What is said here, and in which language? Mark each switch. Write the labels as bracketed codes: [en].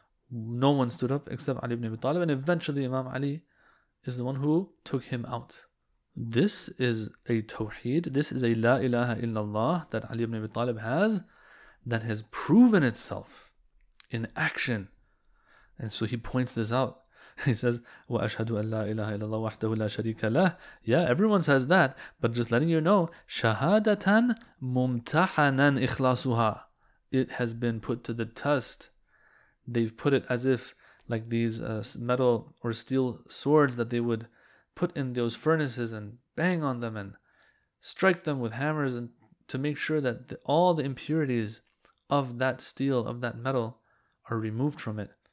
[en] No one stood up except Ali ibn Abi Talib, and eventually Imam Ali is the one who took him out. This is a Tawheed, this is a La ilaha illallah that Ali ibn Abi Talib has, that has proven itself in action. And so he points this out. He says, [ar] وَأَشْهَدُ أَنْ لَا إِلَهَ إِلَّا اللَّهُ وَحْدَهُ لَا شَرِيكَ لَهُ. [en] Yeah, everyone says that, but just letting you know, [ar] شَهَادَةً مُمْتَحَنًا إِخْلَاصُهَا. [en] It has been put to the test. They've put it as if, like these metal or steel swords that they would put in those furnaces and bang on them and strike them with hammers and to make sure that all the impurities of that steel, of that metal, are removed from it.